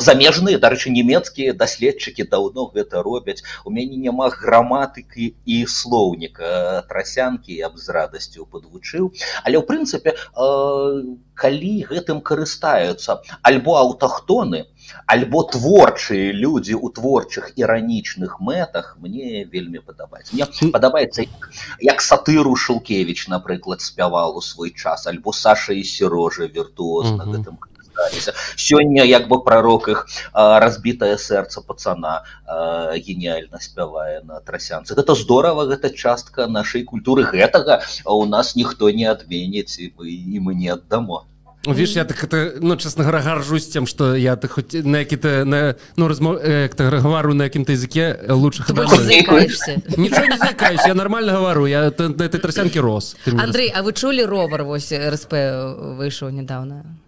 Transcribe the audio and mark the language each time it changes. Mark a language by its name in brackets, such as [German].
[Ukrainian] Заміжні, до речі, німецькі дослідчики давно це роблять. У мене нема граматики і словника Тарасянки, я б з радістю подвучив. [Belarusian] Але, в принципі, коли гэтым карыстаюцца альбо аўтахтоны, альбо творчыя людзі ў творчых іранічных мэтах, мне вельмі падабаецца. Мне падабаецца, як сатыру Шулкевіч, напрыклад, спяваў у свой час, альбо Саша і Сірожа віртуозна гэтым карысталіся. Сёння як бы прарок іх «Разбітае сэрца пацана» геніальна спявае на Тарасянцы. Гэта здорава, гэта частка нашай культуры. Гэтага у нас ніхто не адменіць, і мы не аддамо. [Ukrainian] Віш, я так, ну, чесно говоря, горжусь тим, що я так хоч на які-то, ну, говорю на якому-то язикі краще. Ти просто заїкаєшся. Нічого не заїкаюся, я нормально говорю, я на цій Тарасянці рос. Андрій, а ви чули «Ровер» ось РСП вийшов недавно?